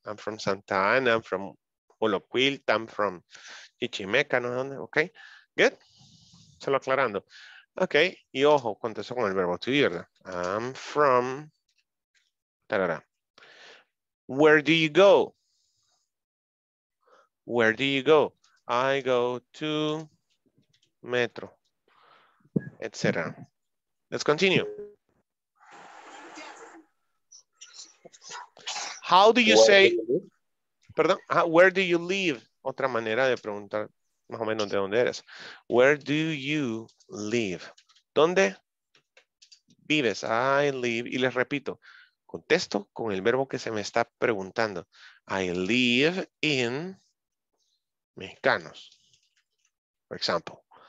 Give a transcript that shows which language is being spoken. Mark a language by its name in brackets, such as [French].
[English] I'm from Santa Ana, I'm from Olocuilt, I'm from Chichimeca, [Spanish] no sé dónde. [English] Ok, good. [Spanish] Solo aclarando. Ok, y ojo, contesto con el verbo to be, ¿verdad? [English] I'm from, tarara. Where do you go? Where do you go? I go to metro, etc. Let's continue. How do you say, [Spanish] perdón, [English] where do you live? [Spanish] Otra manera de preguntar más o menos de dónde eres. [English] Where do you live? [Spanish] ¿Dónde vives? [English] I live, [Spanish] y les repito, contesto con el verbo que se me está preguntando. [English] I live in Mexicanos, for example.